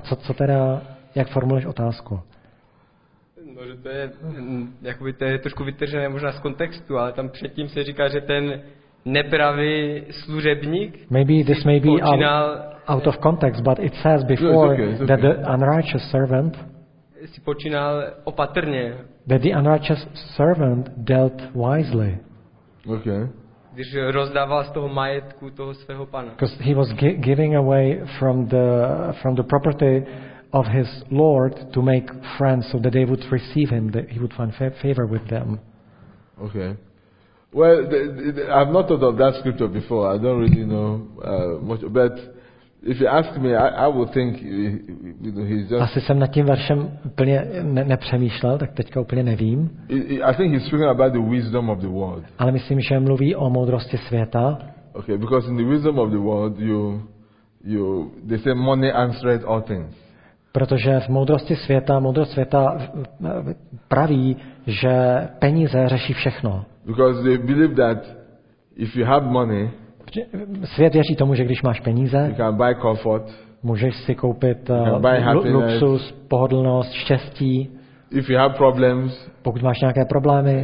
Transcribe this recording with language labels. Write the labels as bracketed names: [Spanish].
[Czech] Co teda, jak formuluješ otázku? No, že to je, jakoby to je trošku vytržené možná z kontextu, ale tam předtím se říká, že ten nepravý služebník. [English] Maybe this may be out of context, but it says before that the unrighteous servant. [Czech] Si počínal opatrně. [English] That the unrighteous servant dealt wisely. Okay. [Czech] Když rozdával z toho majetku toho svého pana. [English] Because he was giving away from the property of his lord to make friends so that they would receive him, that he would find favor with them. Okay. Well, I've not thought of that scripture before. I don't really know much, but if you ask me, I would think he's just. [Czech] Asi jsem nad tím veršem úplně nepřemýšlel, tak teďka úplně nevím. [English] I think he's speaking about the wisdom of the world. [Czech] Ale myslím, že mluví o moudrosti světa. [English] Okay, because in the wisdom of the world, you they say money answers all things. [Czech] Protože v moudrosti světa, moudrost světa praví, že peníze řeší všechno. [English] Because they believe that if you have money. [Czech] Svět věří tomu, že když máš peníze, [English] you can buy comfort, [Czech] můžeš si koupit luxus, pohodlnost, štěstí. [English] If you have problems, [Czech] pokud máš nějaké problémy,